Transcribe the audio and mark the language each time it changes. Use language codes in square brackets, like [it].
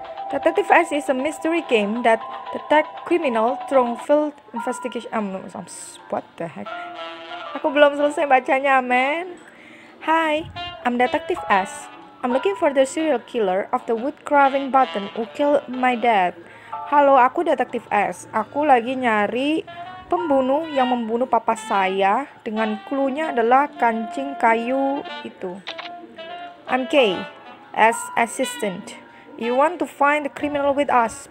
[en] Detective S is a mystery game that detect criminal through field investigation. What the heck? [id] Aku belum selesai bacanya, man. [en] Hi, I'm Detective S. I'm looking for the serial killer of the wood carving button who killed my dad. [id] Halo, aku Detective S. Aku lagi nyari pembunuh yang membunuh papa saya dengan clue-nya adalah kancing kayu itu. [en] I'm Kay, as assistant. You want to find the criminal with us?